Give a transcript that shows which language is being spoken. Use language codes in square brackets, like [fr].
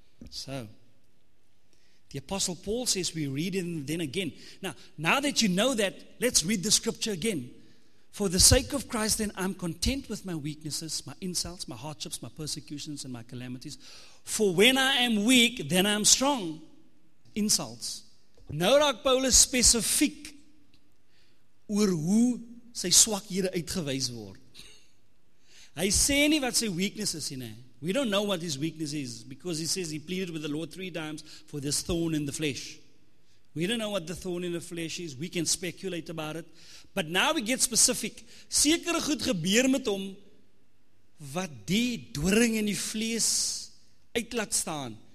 [en] So, the Apostle Paul says, we read it then again. Now that you know that, let's read the scripture again. For the sake of Christ, then I'm content with my weaknesses, my insults, my hardships, my persecutions, and my calamities. For when I am weak, then I am strong. Insults. [af] Nou raak Paulus spesifiek oor hoe sy swakhede uitgewys word. Hy sê nie wat sy weakness is nie. [en] We don't know what his weakness is, because he says he pleaded with the Lord 3 times for this thorn in the flesh. We don't know what the thorn in the flesh is. We can speculate about it. But now we get specific. [af] Sekere goed gebeur met hom wat die doring in die vlees uitlaat staan.